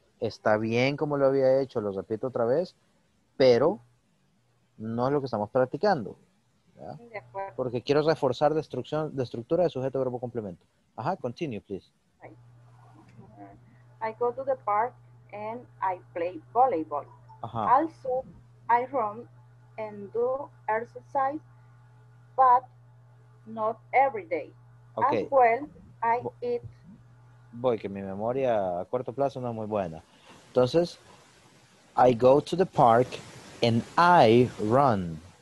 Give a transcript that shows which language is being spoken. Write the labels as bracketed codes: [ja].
[es] Está bien como lo había hecho, lo repito otra vez, pero no es lo que estamos practicando. ¿Ya? Porque quiero reforzar la estructura de sujeto, verbo, complemento. [en] Ajá, continue, please. I go to the park and I play volleyball. Uh-huh. Also, I run and do exercise, but not every day. Okay. As well, I eat. [es] Voy, que mi memoria a corto plazo no es muy buena. [en] Entonces, I go to the park and I run.